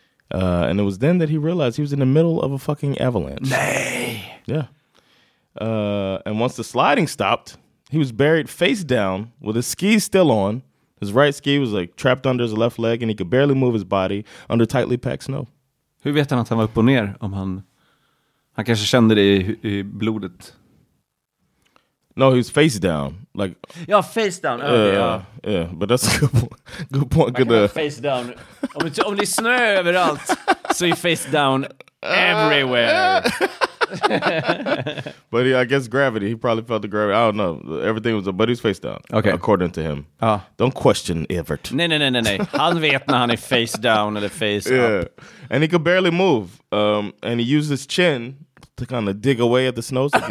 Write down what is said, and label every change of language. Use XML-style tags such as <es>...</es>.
<en>And it was then that he realized he was in the middle of a fucking avalanche. Nay. Yeah. And once the sliding stopped, he was buried face down with his skis still on. His right ski was like trapped under his left leg and he could barely move his body under tightly packed snow.</en> <sv>Hur vet han att han var upp och ner om han... Han kanske kände det i blodet.</sv> <en>No, he was face down. Like, ja, face down. Yeah, but that's a good point.</en> <sv>Man kan</sv> <en>face down.</en> <sv>Om det är snö överallt så är</sv> <en>face down everywhere. But yeah, I guess gravity. He probably felt the gravity. I don't know. Everything was up, but he was face down. Okay. According to him. Don't question Evert.</en> <sv>Nej. Han vet när han är</sv> <en>face down</en> <sv>eller</sv> <en>face up. And he could barely move. And he used his chin to kind of dig away at the snow.</en>